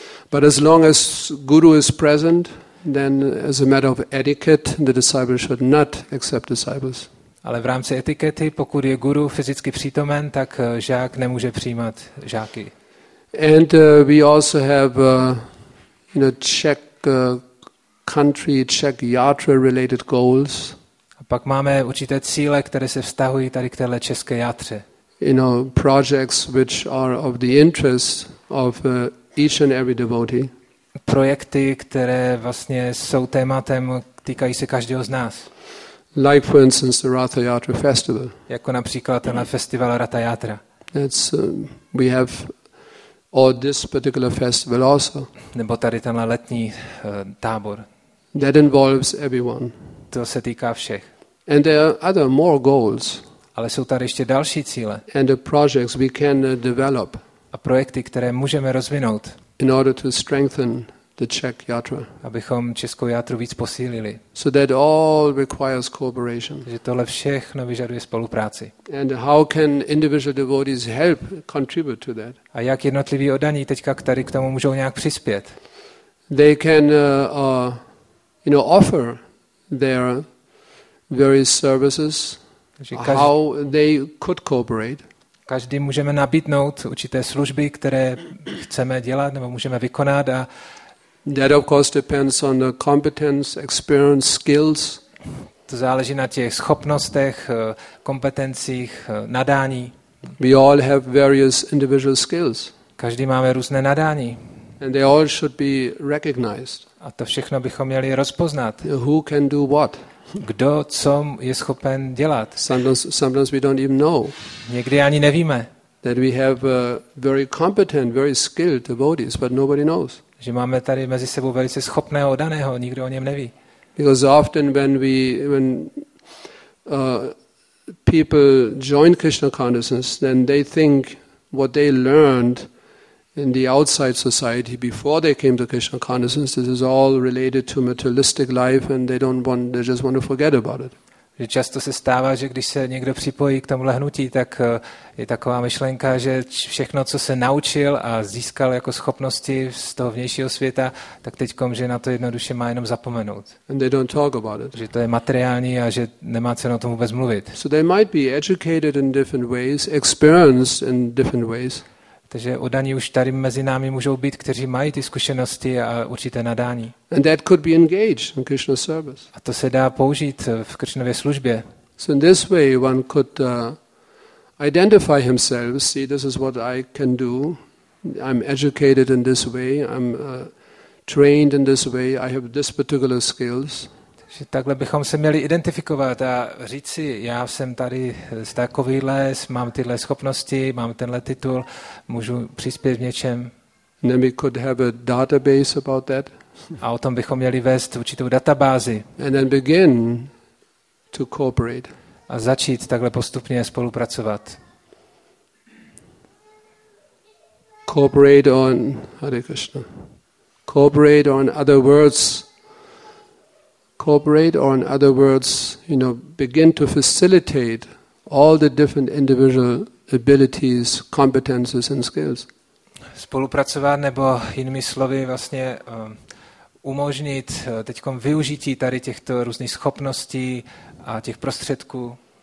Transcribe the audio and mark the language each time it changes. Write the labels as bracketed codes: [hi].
[en] But as long as guru is present, then as a matter of etiquette, the disciple should not accept disciples. [cs] Ale v rámci etikety, pokud je guru fyzicky přítomen, tak žák nemůže přijímat žáky. [en] And we also have you know, Czech country, Czech yatra related goals. [cs] Pak máme určité cíle, které se vztahují tady k téhle české játře. [en] You know, projects which are of the interest of each and every devotee. [cs] Projekty, které vlastně jsou tématem, týkají se každého z nás. [en] Like for instance the Ratha Yatra festival. [cs] Jako například tenhle festival Ratha Yatra. [en] That's we have or this particular festival also. [cs] Nebo tady tenhle letní tábor. [en] That involves everyone. [cs] To se týká všech. [en] And there are other more goals. [cs] Ale jsou tady ještě další cíle. [en] And the projects we can develop. [cs] A projekty, které můžeme rozvinout. [en] In order to strengthen the Czech yatra. [cs] Abychom českou játru víc posílili. [en] So that all requires cooperation. [cs] Že tohle všechno vyžaduje spolupráci. [en] And how can individual devotees help contribute to that? [cs] A jak jednotliví oddaní teďka tady k tomu můžou nějak přispět? [en] They can you know offer their various services, how they could cooperate. [cs] Každý můžeme nabídnout určité služby, které chceme dělat nebo můžeme vykonat. A [en] that of course depends on the competence, experience, skills. [cs] To záleží na těch schopnostech, kompetencích, nadání. [en] We all have various individual skills. [cs] Každý máme různé nadání. [en] And they all should be recognized. [cs] A to všechno bychom měli rozpoznat. [en] Who can do what? [cs] Kdo co je schopen dělat? [en] Sometimes we don't even know. [cs] Někdy ani nevíme. [en] That we have very competent, very skilled devotees, but nobody knows. [cs] Že máme tady mezi sebou velice schopného oddaného, nikdo o něm neví. [en] Because often when people join Krishna consciousness, then they think what they learned in the outside society before they came to Krishna consciousness, this is all related to materialistic life and they just want to forget about it. [cs] Že často se stává, že když se někdo připojí k tomuhle hnutí, tak je taková myšlenka, že všechno, co se naučil a získal jako schopnosti z toho vnějšího světa, tak teďkom, že na to jednoduše má jenom zapomenout. [en] And they don't talk about it. [cs] Že to je materiální a že nemá cenu o tom vůbec mluvit. [en] So they might be educated in different ways, experienced in different ways. [cs] Takže oddaní už tady mezi námi můžou být, kteří mají ty zkušenosti a určité nadání. [en] And that could be engaged in Krishna service. [cs] A to se dá použít v Krishnově službě. [en] So in this way one could identify himself, see this is what I can do. I'm educated in this way. I'm trained in this way, I have this particular skills. [cs] Že takhle bychom se měli identifikovat a říct si, já jsem tady z takový les, mám tyhle schopnosti, mám tenhle titul, můžu přispět v něčem. [en] Then we could have a database about that. [cs] A o tom bychom měli vést určitou databázi. [en] And then begin to cooperate. [cs] A začít takhle postupně spolupracovat. [en] Cooperate on Hare Krishna. Cooperate on other words. Cooperate on other words, you know, begin to facilitate all the different individual abilities, competences and skills. [cs] Spolupracovat nebo jinými slovy vlastně umožnit teďkom využití tady těchto různých schopností a těch prostředků.